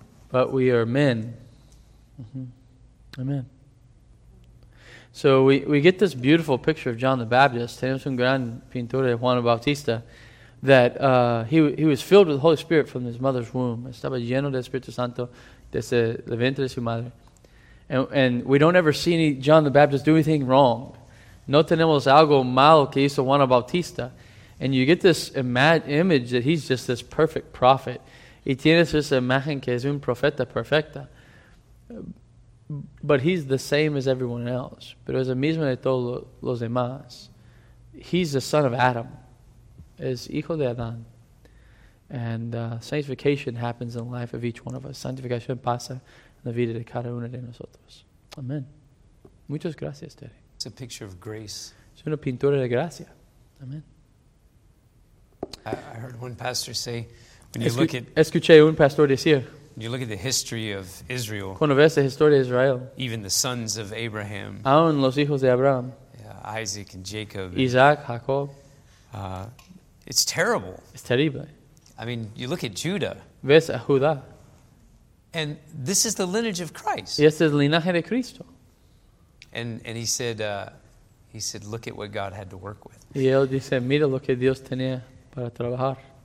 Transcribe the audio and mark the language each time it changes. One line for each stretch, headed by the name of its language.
English: But we are men. Mm-hmm. Amen. So we get this beautiful picture of John the Baptist,
Spanish: tenemos un gran pintura de Juan Bautista,
English: that he was filled with the Holy Spirit from his mother's womb.
Spanish: Estaba lleno del Espíritu Santo desde el vientre de su madre.
English: And we don't ever see any John the Baptist do anything wrong.
Spanish: No tenemos algo mal que hizo Juan Bautista.
English: And you get this image that he's just this perfect prophet.
Spanish: Y tienes esa imagen que es un profeta perfecta.
English: But he's the same as everyone else.
Spanish: Pero es el mismo de todos los demás.
English: He's the son of Adam.
Spanish: Es hijo de Adán.
English: And sanctification happens in the life of each one of us.
Spanish: Sanctificación pasa en la vida de cada uno de nosotros. Amen. Muchas gracias, Terry.
English: It's a picture of grace.
Spanish: Es una pintura de gracia. Amen.
English: I heard one pastor say, when you look at...
Spanish: Escuché un pastor decir...
English: When you look at the history of Israel...
Spanish: Cuando ves la historia de Israel...
English: Even the sons of Abraham...
Spanish: Aún los hijos de Abraham...
English: Yeah, Isaac and Jacob...
Spanish: Isaac, Jacob...
English: It's terrible.
Spanish: Es terrible.
English: I mean, you look at Judah...
Spanish: Ves a Judá...
English: And this is the lineage of Christ.
Spanish: Y este es el linaje de Cristo.
English: And he said, He said, look at what God had to work with.
Spanish: Y él dice, mira lo que Dios tenía para trabajar.